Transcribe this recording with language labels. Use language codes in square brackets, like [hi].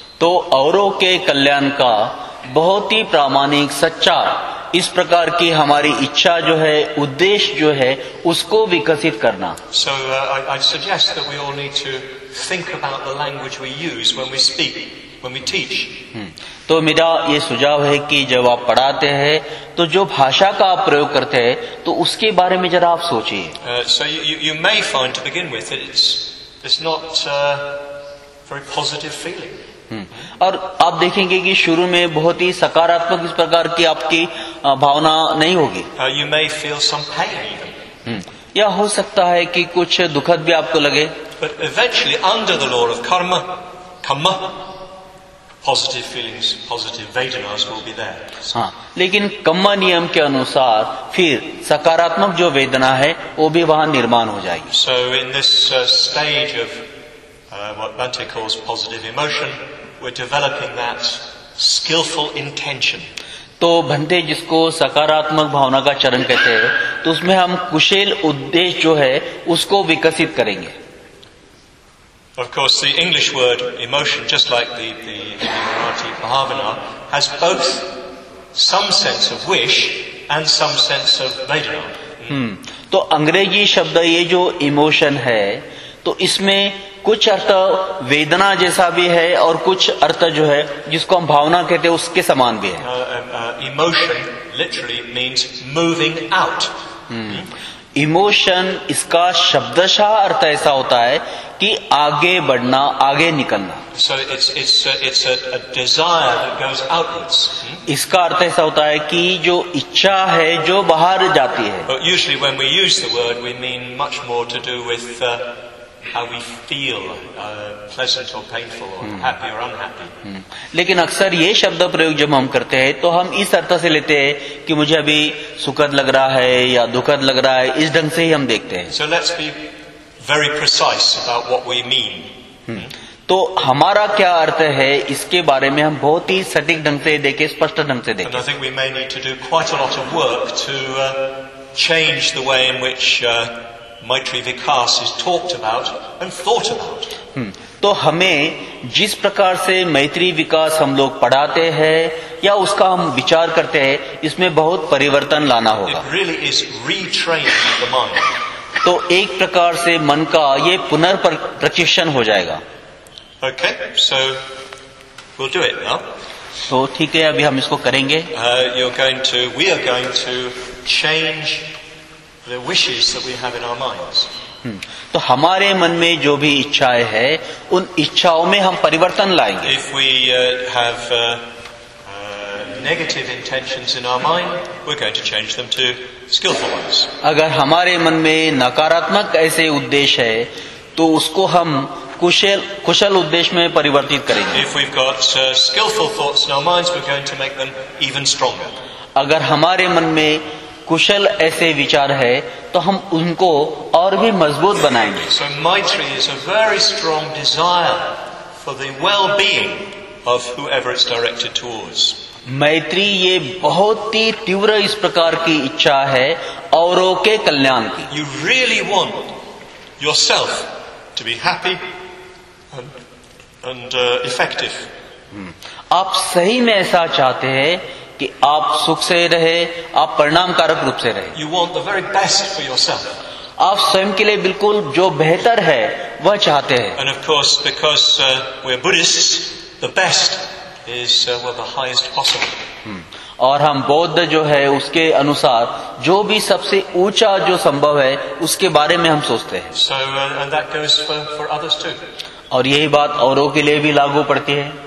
[hi] तो औरों के कल्याण का बहुत ही प्रामाणिक सच्चा इस प्रकार की हमारी इच्छा जो है उद्देश्य जो है उसको विकसित करना [en] So I suggest that we all need to think about the language we use when we speak When we teach. [hi] तो मेरा ये सुझाव है कि जब आप पढ़ाते हैं तो जो भाषा का आप प्रयोग करते हैं तो उसके बारे में जरा आप सोचिए [en] so you may find to begin with that it's not very positive feeling. [hi] और आप देखेंगे कि शुरू में बहुत ही सकारात्मक इस प्रकार की आपकी भावना नहीं होगी [en] you may feel some pain even. [hi] या हो सकता है कि कुछ दुखद भी आपको लगे [en] But eventually, under the law of karma, kamma, Positive feelings, positive vedanas will be there. [hi] हाँ, लेकिन कम्मा नियम के अनुसार फिर सकारात्मक जो वेदना है वो भी वहाँ निर्माण हो जाएगी [en] So in this stage of what Bhante calls positive emotion, we're developing that skillful intention. [hi] तो भंते जिसको सकारात्मक भावना का चरण कहते हैं तो उसमें हम कुशल उद्देश्य जो है उसको विकसित करेंगे [en] Of course, the English word emotion, just like the Marathi bhavana, has both some sense of wish and some sense of vedana. [hi] तो अंग्रेजी शब्द ये जो emotion है, तो इसमें कुछ अर्थ वेदना जैसा भी है और कुछ अर्थ जो है जिसको हम भावना कहते हैं उसके समान भी है. [en] Emotion literally means moving out. [hi] Emotion इसका शब्दशः अर्थ ऐसा होता है कि आगे बढ़ना आगे निकलना [en] So it's a desire that goes outwards. [hi] इसका अर्थ ऐसा होता है कि जो इच्छा है जो बाहर जाती है [en] But usually when we use the word we mean much more to do with how we feel, pleasant or painful, or happy or unhappy. [hi] लेकिन अक्सर ये शब्द प्रयोग जब हम करते हैं तो हम इस अर्थ से लेते हैं कि मुझे अभी सुखद लग रहा है या दुखद लग रहा है, इस ढंग से ही हम देखते हैं. [en] So let's be very precise about what we mean. [hi] तो हमारा क्या अर्थ है इसके बारे में हम बहुत ही सटीक ढंग से देखें, स्पष्ट ढंग से देखें. [en] And I think we may need to do quite a lot of work to change the way in which Maitri Vikas is talked about and thought about. [hi] तो हमें जिस प्रकार से मैत्री विकास हम लोग पढ़ाते हैं या उसका हम विचार करते हैं, इसमें बहुत परिवर्तन लाना होगा. [en] It really is retraining the mind. [hi] तो एक प्रकार से मन का ये पुनर्प्रशिक्षण हो जाएगा. [en] Okay, so we'll do it now. [hi] तो ठीक है, अभी हम इसको करेंगे. [en] We are going to change the wishes that we have in our minds. [hi] तो हमारे मन में जो भी इच्छाएं हैं, उन इच्छाओं में हम परिवर्तन लाएंगे. [en] If we have negative intentions in our mind, we're going to change them to skillful ones. [hi] अगर हमारे मन में नकारात्मक ऐसे उद्देश्य है, तो उसको हम कुशल उद्देश्य में परिवर्तित करेंगे. [en] If we've got skillful thoughts in our minds, we're going to make them even stronger. [hi] अगर हमारे मन में कुशल ऐसे विचार है तो हम उनको और भी मजबूत बनाएंगे. [en] So Maitri is a very strong desire for the well-being of whoever it's directed towards. [hi] मैत्री ये बहुत ही तीव्र इस प्रकार की इच्छा है औरों के कल्याण की. [en] You really want yourself to be happy and effective. [hi] आप सही में ऐसा चाहते हैं कि आप सुख से रहे, आप परिणामकारक रूप से रहे. [en] You want the very best for yourself. [hi] आप स्वयं के लिए बिल्कुल जो बेहतर है वह चाहते हैं. [en] And of course, because we're Buddhists, the best is the highest possible. [hi] और हम बौद्ध जो है उसके अनुसार जो भी सबसे ऊंचा जो संभव है उसके बारे में हम सोचते हैं. [en] So, and that goes for others too. [hi] और यही बात औरों के लिए भी लागू पड़ती है.